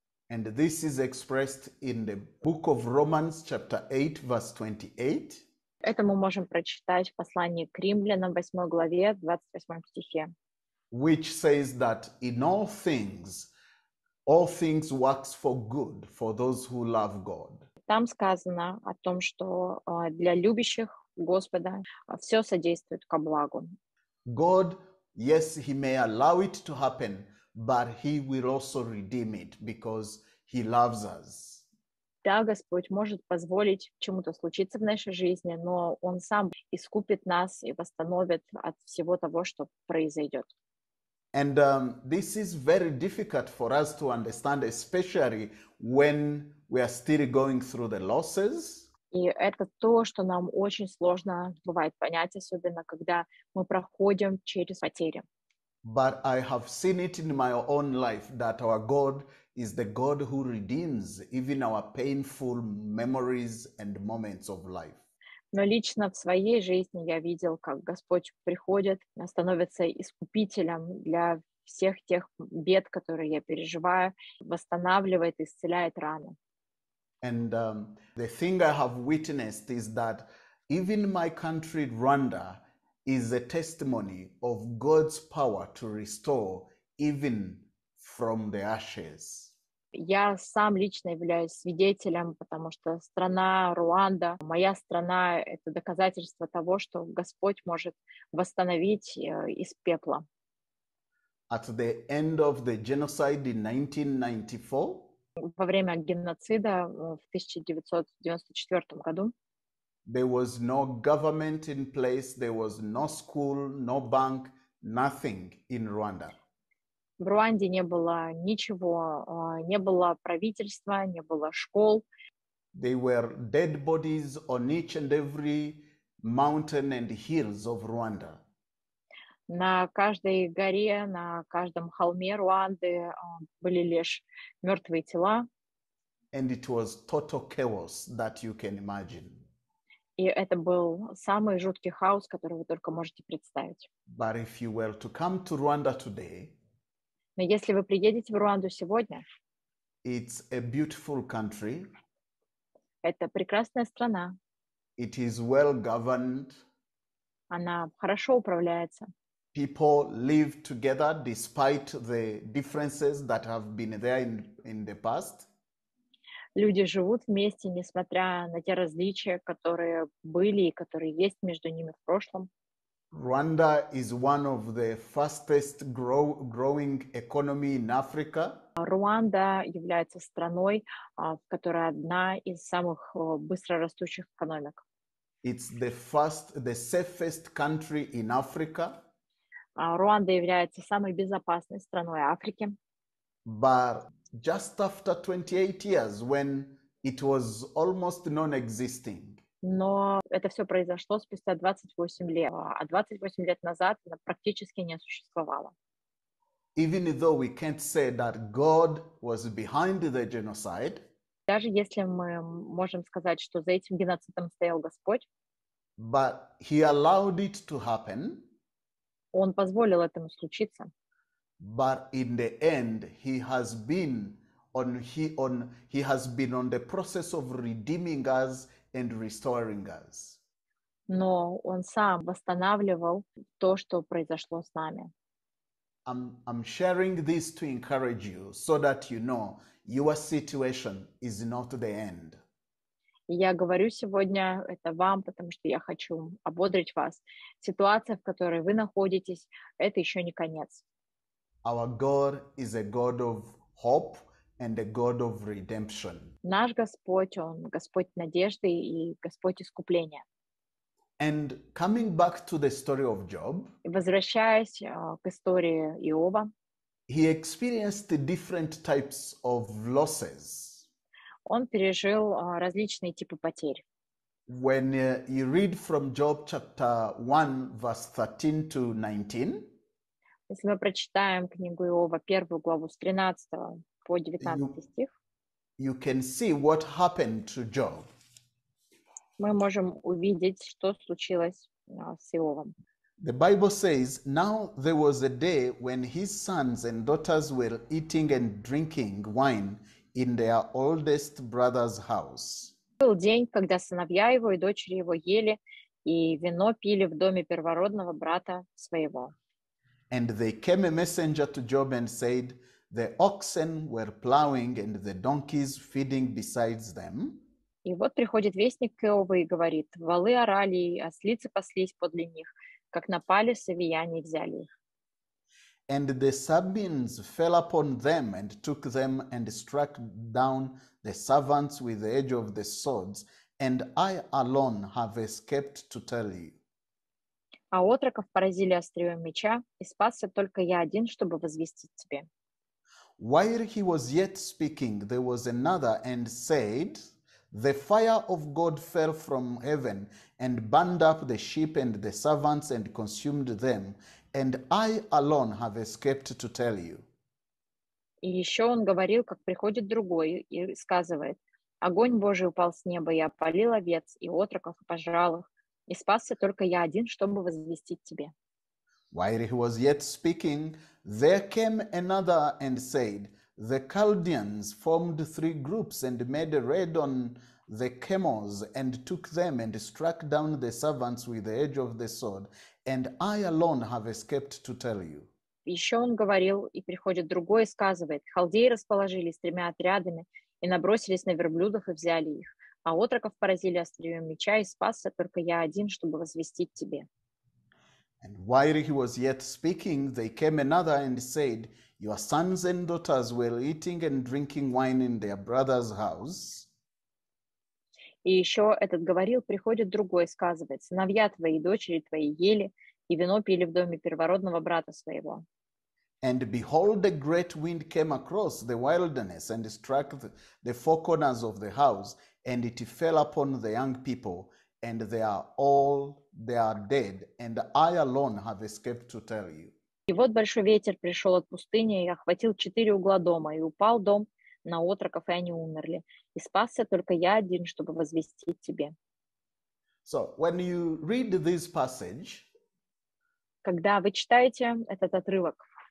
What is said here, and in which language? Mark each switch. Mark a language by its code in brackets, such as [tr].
[en] And this is expressed in the book of Romans, chapter 8, verse 28. [ru] Это мы можем прочитать в послании к Римлянам, 8 главе, 28 стихе. [en] Which says that in all things works for good for those who love God. [ru] Там сказано о том, что для любящих Господа все содействует ко благу. [en] God, yes, he may allow it to happen, but he will also redeem it because he loves us. [ru] Да, Господь может позволить чему-то случиться в нашей жизни, но он сам искупит нас и восстановит от всего того, что произойдет. [en] And this is very difficult for us to understand, especially when we are still going through the losses. [ru] И это то, что нам очень сложно бывает понять, особенно когда мы проходим через потери. [en] But I have seen it in my own life that our God is the God who redeems even our painful memories and moments of life. [ru] Но лично в своей жизни я видел, как Господь приходит, становится искупителем для всех тех бед, которые я переживаю, восстанавливает, исцеляет раны. [en] And the thing I have witnessed is that even my country, Rwanda, is a testimony of God's power to restore even from the ashes. [ru] Я сам лично являюсь свидетелем, потому что страна Руанда, моя страна, это доказательство того, что Господь может восстановить из пепла. [en] At the end of the genocide in 1994, [ru] во время геноцида в 1994 году, [en] there was no government in place, there was no school, no bank, nothing in Rwanda. [ru] В Руанде не было ничего, не было правительства, не было школ. [en] They were dead bodies on each and every mountain and hills of Rwanda. [ru] На каждой горе, на каждом холме Руанды были лишь мертвые тела. [en] And it was total chaos that you can imagine. [ru] И это был самый жуткий хаос, который вы только можете представить. [en] But if you were to come to Rwanda today, [ru] но если вы приедете в Руанду сегодня, [en] it's a beautiful country. [ru] Это прекрасная страна. [en] It is well governed. [ru] Она хорошо управляется. [en] People live together despite the differences that have been there in the past. [ru] Люди живут вместе, несмотря на те различия, которые были и которые есть между ними в прошлом. [en] Rwanda is one of the fastest growing economy in Africa. [ru] Руанда является страной, которая одна из самых быстро растущих экономик. [en] It's the safest country in Africa. [ru] Руанда является самой безопасной страной Африки. [en] But just after 28 years, when it was almost non-existing. [ru] Но это все произошло спустя 28 лет, а 28 лет назад она практически не существовала. [en] Even though we can't say that God was behind the genocide, [ru] Даже если мы можем сказать, что за этим геноцидом стоял Господь, [en] but he allowed it to happen. [ru] Он позволил этому случиться. [en] But in the end, he has been on the process of redeeming us and restoring us. [ru] Но он сам восстанавливал то, что произошло с нами. [en] I'm sharing this to encourage you so that you know your situation is not the end. [ru] Я говорю сегодня это вам, потому что я хочу ободрить вас. Ситуация, в которой вы находитесь, это еще не конец. [en] Our God is a God of hope and a God of redemption. [ru] Наш Господь, Он Господь надежды и Господь искупления. [en] And coming back to the story of Job, [ru] И возвращаясь к истории Иова, [en] he experienced different types of losses. [ru] он пережил различные типы потерь. [en] When you read from Job chapter 1, verse 13 to 19, [ru] Если мы прочитаем книгу Иова, первую главу с 13 по 19 стих, [en] you can see what happened to Job. [ru] мы можем увидеть, что случилось с Иовом. [en] The Bible says, now there was a day when his sons and daughters were eating and drinking wine in their oldest brother's house. [ru] Был день, когда сыновья его и дочери его ели и вино пили в доме первородного брата своего. [en] And there came a messenger to Job and said, the oxen were plowing and the donkeys feeding besides them. [ru] И вот приходит вестник к Иову и говорит: «Волы орали, ослицы паслись подле них, как напали совияне, взяли их». [en] And the Sabines fell upon them and took them and struck down the servants with the edge of the swords, and I alone have escaped to tell you. [ru] А отроков поразили острием меча, и спасся только я один, чтобы возвестить тебе. [en] While he was yet speaking, there was another and said, the fire of God fell from heaven and burned up the sheep and the servants and consumed them, and I alone have escaped to tell you. [ru] И еще он говорил, как приходит другой и сказывает: «Огонь Божий упал с неба и опалил овец и отроков, и пожрал их, и спасся только я один, чтобы возвестить тебе». [en] While he was yet speaking, there came another and said, the Chaldeans formed three groups and made a raid on the camels and took them and struck down the servants with the edge of the sword, and I alone have escaped to tell you. [ru] Еще он говорил, и приходит другой и сказывает: «Халдеи расположились тремя отрядами и набросились на верблюдов и взяли их, а отроков поразили острием меча, и спасся только я один, чтобы возвестить тебе». [en] And while he was yet speaking, there came another and said, your sons and daughters were eating and drinking wine in their brother's house. [ru] И еще этот говорил, приходит другой и сказывает: «Сыновья твои и дочери твои ели и вино пили в доме первородного брата своего». [en] And behold, a great wind came across the wilderness and struck the four corners of the house, and it fell upon the young people, and they are dead, and I alone have escaped to tell you. [ru] И вот большой ветер пришел от пустыни и охватил четыре угла дома, и упал дом на отроков, и они умерли. И спасся только я один, чтобы возвестить тебе. [en] So when you read this passage, [ru] Когда вы читаете этот отрывок,